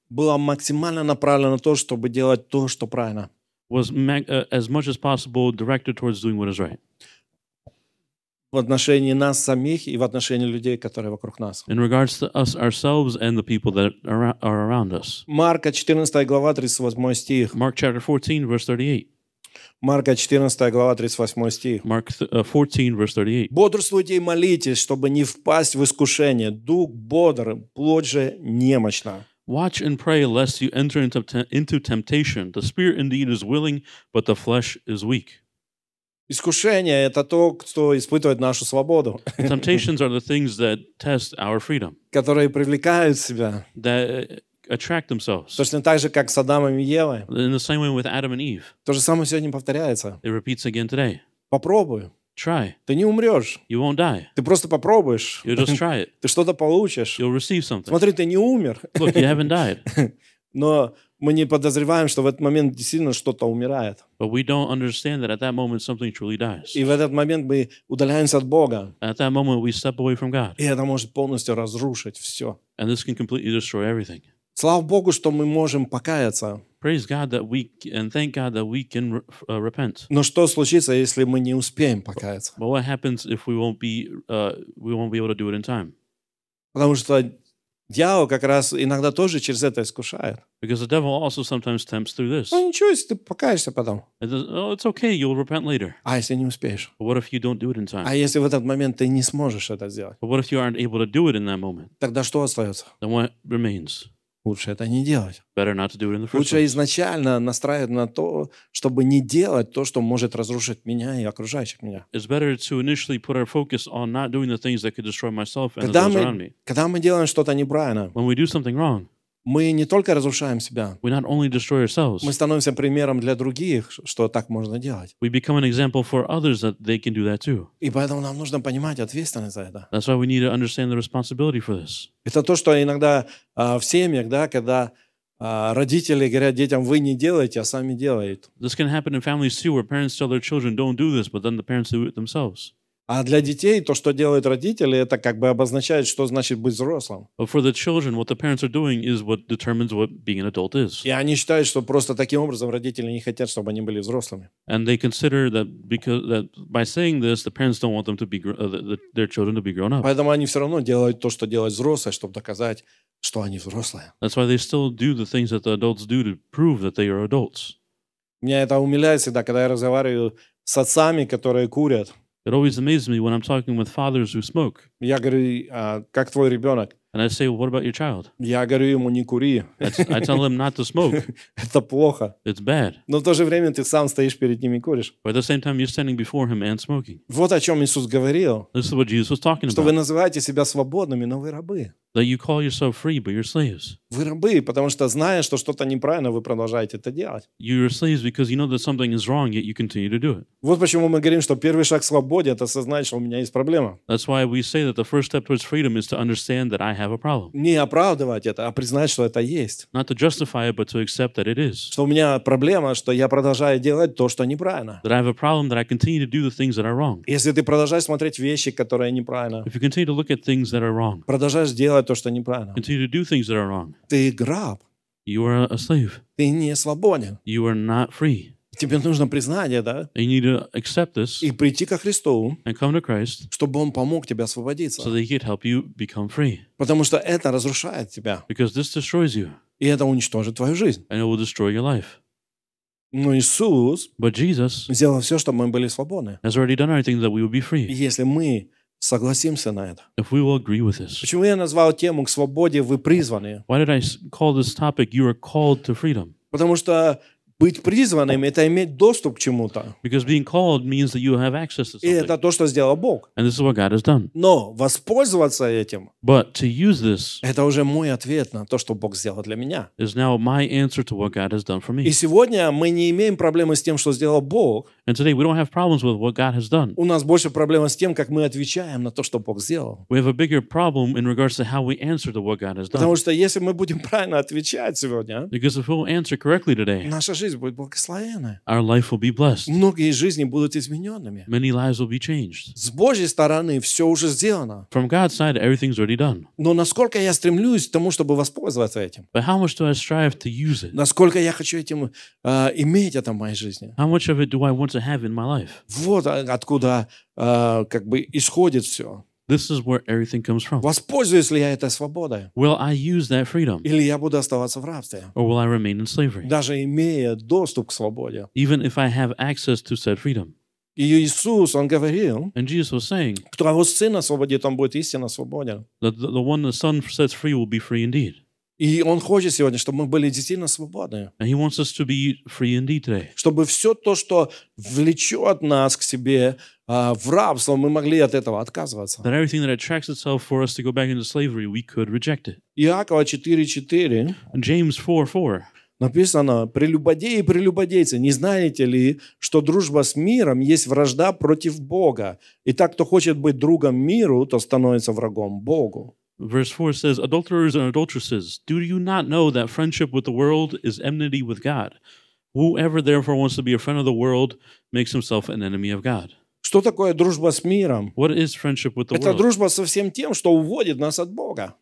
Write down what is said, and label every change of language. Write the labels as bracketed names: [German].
[Russian] была максимально направлена на то, чтобы делать то, что правильно. [English] Was as much as possible directed towards doing what is right. [Russian] В отношении нас самих и в отношении людей, которые вокруг нас. [English] In regards to us ourselves and the people that are around us. [Russian] Марка 14 глава 38 стих. [English] Mark chapter 14 verse 38. [Russian] Марка 14 глава 38 стих. [English] Mark 14 verse 38. [Russian] Бодрствуйте и молитесь, чтобы не впасть в искушение. Дух бодр, плоть же немощна. [English] Watch and pray lest you enter into temptation. The spirit indeed is willing, but the flesh is weak. [Russian] Искушение – это то, кто испытывает нашу свободу. [English] Temptations are the things that test our freedom. [Russian] Которые привлекают себя. [English] That attract themselves. [Russian] Точно так же, как с Адамом и Евой. [English] In the same way with Adam and Eve. [Russian] То же самое сегодня повторяется. [English] It repeats again today. [Russian] Попробуй. [English] Try. [Russian] Ты не умрешь. [English] You won't die. [Russian] Ты просто попробуешь. [English] You'll just try it. [Russian] Ты что-то получишь. [English] You'll receive something. [Russian] Смотри, ты не умер. [English] Look, you haven't died. [Russian] Но мы не подозреваем, что в этот момент действительно что-то умирает. [English] But we don't understand that at that moment something truly dies. [Russian] И в этот момент мы удаляемся от Бога. [English] And at that moment we step away from God. [Russian] И это может полностью разрушить все. [English] And this can completely destroy everything. [Russian] Слава Богу, что мы можем покаяться. [English] Praise God that we and thank God that we can repent. [Russian] Но что случится, если мы не успеем покаяться? [English] But what happens if we won't be able to do it in time? [Russian] Потому что дьявол как раз иногда тоже через это искушает. [English] Because the devil also sometimes tempts through this. [Russian] Ну ничего, если ты покаешься потом. [English] Oh, it's okay, you'll repent later. [Russian] А если не успеешь? [English] But what if you don't do it in time? [Russian] А если в этот момент ты не сможешь это сделать? [English] But what if you aren't able to do it in that moment? [Russian] Тогда что остается? [English] Then what remains? [Russian] Лучше это не делать. [English] Better not to do it in the first place. [Russian] Лучше изначально настраивать на то, чтобы не делать то, что может разрушить меня и окружающих меня. [English] It's better to initially put our focus on not doing the things that could destroy myself and those around me. [Russian] Когда мы делаем что-то неправильно, [English] when we do something wrong, [Russian] мы не только разрушаем себя, [English] we not only destroy ourselves, [Russian] мы становимся примером для других, что так можно делать. [English] We become an example for others that they can do that too. [Russian] И поэтому нам нужно понимать ответственность за это. [English] That's why we need to understand the responsibility for this. [Russian] Это то, что иногда в семьях, да, когда родители говорят детям, вы не делаете, а сами делают. [English] This can happen in families too, where parents tell their children, don't do this, but then the parents do it themselves. [Russian] А для детей то, что делают родители, это как бы обозначает, что значит быть взрослым. [English] But for the children, what the parents are doing is what determines what being an adult is. [Russian] И они считают, что просто таким образом родители не хотят, чтобы они были взрослыми. [English] And they consider that because that by saying this, the parents don't want them to be their children to be grown up. [Russian] Поэтому они все равно делают то, что делают взрослые, чтобы доказать, что они взрослые. [English] That's why they still do the things that the adults do to prove that they are adults. [Russian] Меня это умиляет всегда, когда я разговариваю с отцами, которые курят. [English] It always amazes me when I'm talking with fathers who smoke. [Russian] Я говорю, как твой ребенок? [English] And I say, well, what about your child? [Russian] Я говорю ему, не кури. [English] I tell him not to smoke. [Russian] Это плохо. [English] It's bad. [Russian] Но в то же время ты сам стоишь перед ним и куришь. [English] But at the same time, you're standing before him and smoking. [Russian] Вот о чем Иисус говорил. [English] This is what Jesus was talking about. [Russian] Что вы называете себя свободными, но вы рабы. [English] That you call yourself free, but you're slaves. [Russian] Вы рабы, потому что зная, что что-то неправильно, вы продолжаете это делать. [English] You're slaves because you know that something is wrong, yet you continue to do it. [Russian] Вот почему мы говорим, что первый шаг к свободе — это осознать, что у меня есть проблема. [English] That's why we say that the first step towards freedom is to understand that I have a problem. [Russian] Не оправдывать это, а признать, что это есть. [English] Not to justify it, but to accept that it is. [Russian] Что у меня проблема, что я продолжаю делать то, что неправильно. [English] That I have a problem, that I continue to do the things that are wrong. [Russian] Если ты продолжаешь смотреть вещи, которые неправильно. [English] If you continue to look at things that are wrong. [Russian] Продолжаешь делать то, что неправильно. [English] Continue to do things that are wrong. [Russian] Ты граб. [English] You are a slave. [Russian] Ты не свободен. [English] You are not free. [Russian] Тебе нужно признать это. [English] You need to accept this. [Russian] И прийти ко Христу. [English] And come to Christ. [Russian] Чтобы Он помог тебе освободиться. [English] So that He could help you become free. [Russian] Потому что это разрушает тебя. [English] Because this destroys you. [Russian] И это уничтожит твою жизнь. [English] And it will destroy your life. [Russian] Но Иисус [English] But Jesus [Russian] сделал все, чтобы мы были свободны. [English] Has already done everything that we would be free. [Russian] И если мы согласимся на это. [English] If we will agree with this. [Russian] Почему я назвал тему «К свободе вы призваны»? [English] Why did I call this topic «You are called to freedom»? [Russian] Потому что быть призванным — это иметь доступ к чему-то. [English] Because being called means that you have access to something. [Russian] И это то, что сделал Бог. [English] And this is what God has done. [Russian] Но воспользоваться этим [English] — But to use this [Russian] — это уже мой ответ на то, что Бог сделал для меня. [English] Is now my answer to what God has done for me. [Russian] И сегодня мы не имеем проблемы с тем, что сделал Бог. [English] And today we don't have problems with what God has done. [Russian] У нас больше проблема с тем, как мы отвечаем на то, что Бог сделал. [English] We have a bigger problem in regards to how we answer to what God has done. [Russian] Потому что если мы будем правильно отвечать сегодня, [English] Because if we'll answer correctly today, [Russian] наша жизнь будет благословена. [English] Our life will be blessed. [Russian] Многие жизни будут измененными. [English] Many lives will be changed. [Russian] С Божьей стороны все уже сделано. [English] From God's side, everything's already done. [Russian] Но насколько я стремлюсь к тому, чтобы воспользоваться этим? [English] But how much do I strive to use it? [Russian] Насколько я хочу этим иметь это в моей жизни? [English] How much of it do I want to have in my life. [Russian] Вот откуда как бы исходит все. [English] This is where everything comes from. [Russian] Воспользуюсь ли я этой свободой? [English] Will I use that freedom? [Russian] Или я буду оставаться в рабстве? [English] Or will I remain in slavery? [Russian] Даже имея доступ к свободе. [English] Even if I have access to said freedom. [Russian] И Иисус, Он говорил, [English] And Jesus was saying, [Russian] кто его Сын освободит, он будет истинно свободен. [English] The one the Son sets free will be free indeed. [Russian] И Он хочет сегодня, чтобы мы были действительно свободны. [English] And He wants us to be free indeed today. [Russian] Чтобы все то, что влечет нас к себе в рабство, мы могли от этого отказываться. [English] That everything that attracts itself for us to go back into slavery, we could reject it. [Russian] Иакова 4:4. [English] James 4:4. [Russian] Написано, прелюбодеи и прелюбодейцы, не знаете ли, что дружба с миром есть вражда против Бога? И так, кто хочет быть другом миру, то становится врагом Богу. [English] Verse 4 says, Adulterers and adulteresses, do you not know that friendship with the world is enmity with God? Whoever therefore wants to be a friend of the world makes himself an enemy of God. [Russian] Что такое дружба с миром? [English] What is friendship with the [Russian] Это [English] world? [Russian] Это дружба со всем тем, что уводит нас от Бога.